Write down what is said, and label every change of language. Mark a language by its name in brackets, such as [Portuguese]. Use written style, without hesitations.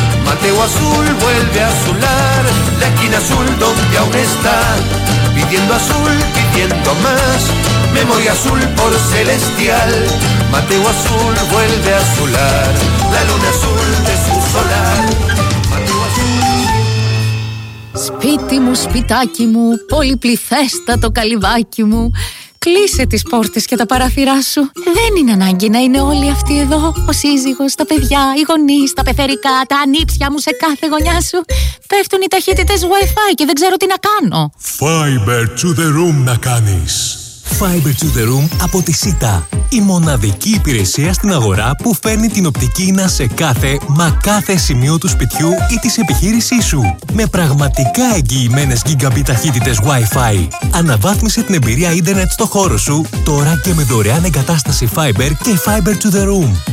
[Spanish] Mateo azul vuelve a azular la esquina azul donde aún está, pidiendo azul, pidiendo más, memoria azul por celestial. Mateo azul vuelve a azular la luna azul de su solar. [Greek] Σπίτι μου, σπιτάκι μου, πολυπληθέστατο καλυβάκι μου, κλείσε τις πόρτες και τα παράθυρά σου. Δεν είναι ανάγκη να είναι όλοι αυτοί εδώ. Ο σύζυγος, τα παιδιά, οι γονείς, τα πεθερικά, τα ανήψια μου σε κάθε γωνιά σου. Πέφτουν οι ταχύτητες Wi-Fi και δεν ξέρω τι να κάνω. Fiber to the room να κάνεις. Fiber to the room από τη ΣΥΤΑ. Η μοναδική υπηρεσία στην αγορά που φέρνει την οπτική να σε κάθε, μα κάθε σημείο του σπιτιού ή της επιχείρησής σου. Με πραγματικά εγγυημένες gigabit ταχύτητες Wi-Fi. Αναβάθμισε την εμπειρία ίντερνετ στο χώρο σου, τώρα και με δωρεάν εγκατάσταση Fiber και Fiber to the room.